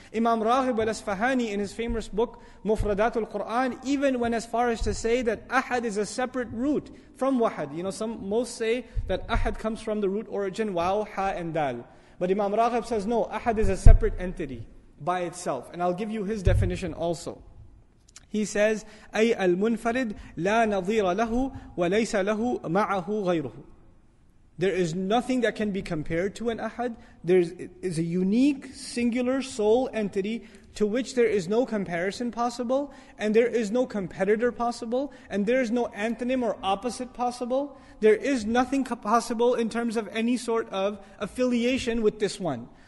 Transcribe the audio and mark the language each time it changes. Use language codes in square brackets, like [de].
[en] Imam Raghib al-Isfahani in his famous book, Mufradatul Quran, even went as far as to say that ahad is a separate root from wahad. You know, most say that ahad comes from the root origin, waw, ha, and dal. But Imam Raghib says, no, ahad is a separate entity by itself. And I'll give you his definition also. He says, [ar] أي المنفرد لا نظير له وليس له معه غيره. [en] There is nothing that can be compared to an ahad. There is a unique, singular soul entity to which there is no comparison possible, and there is no competitor possible, and there is no antonym or opposite possible. There is nothing possible in terms of any sort of affiliation with this one.